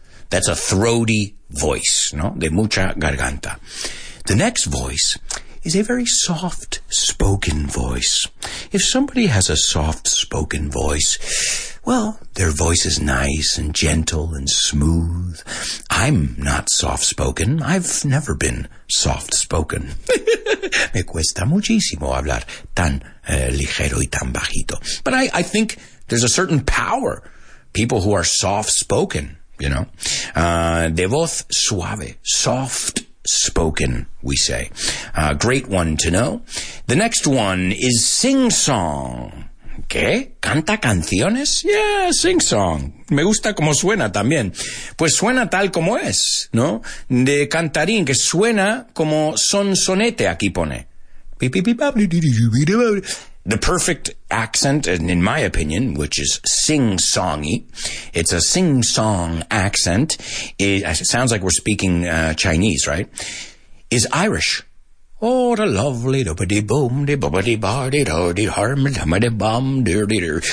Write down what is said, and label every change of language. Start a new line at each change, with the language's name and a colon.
English: That's a throaty voice, no?
Spanish: De mucha garganta.
English: The next voice is a very soft-spoken voice. If somebody has a soft-spoken voice, well, their voice is nice and gentle and smooth. I'm not soft-spoken. I've never been soft-spoken.
Spanish: Me cuesta muchísimo hablar tan ligero y tan bajito.
English: But I think there's a certain power. People who are soft-spoken, you know.
Spanish: De voz suave,
English: soft-spoken, we say. Great one to know. The next one is sing-song.
Spanish: ¿Qué? ¿Canta canciones?
English: Yeah, sing-song.
Spanish: Me gusta como suena también. Pues suena tal como es, ¿no? De cantarín, que suena como sonsonete, aquí pone.
English: The perfect accent, in my opinion, which is sing-songy, it's a sing-song accent, it sounds like we're speaking Chinese, right, is Irish. Oh, the lovely dobody boom de bobody body do de harm de bum deer deer.